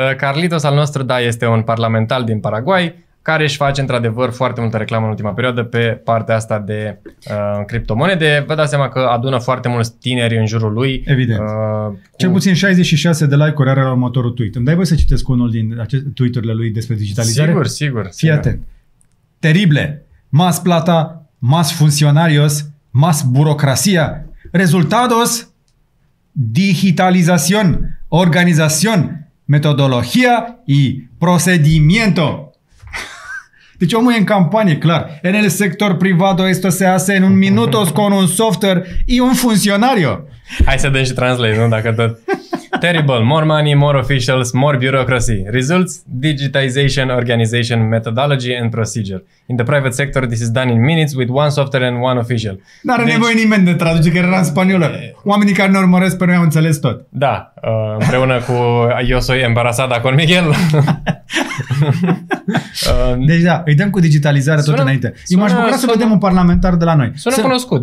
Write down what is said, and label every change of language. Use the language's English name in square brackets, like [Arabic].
[Romanian] Carlitos al nostru, da, este un parlamentar din Paraguay, care își face într-adevăr foarte multă reclamă în ultima perioadă pe partea asta de criptomonede. Vă dați seama că adună foarte mulți tineri în jurul lui. Evident. Cel puțin 66 de like-uri are la următorul tweet. Îmi dai voi să citesc unul din aceste tweet-urile lui despre digitalizare? Sigur. Fii atent. Terrible. [Spanish] Más plata, más funcionarios, más burocracia. Resultados? Digitalización, organización, metodología y procedimiento. [Romanian] Deci omul e în campanie, clar. [Spanish] În el sector privado, esto se hace en un minuto con un software y un funcionario. [Romanian] Hai să dăm și translate, nu? Dacă tot. [English] Terrible. More money, more officials, more bureaucracy. Results? Digitization, organization, methodology and procedure. In the private sector, this is done in minutes with one software and one official. [Romanian] N-are deci nevoie nimeni de traduce, că era în spaniolă. Oamenii care ne urmăresc pe noi au înțeles tot. Da. Împreună cu [Spanish] Yo soy embarazada con Miguel. [Romanian] Deci da, îi dăm cu digitalizarea tot înainte. Eu m-aș bucura să vedem un parlamentar de la noi. Sună cunoscut.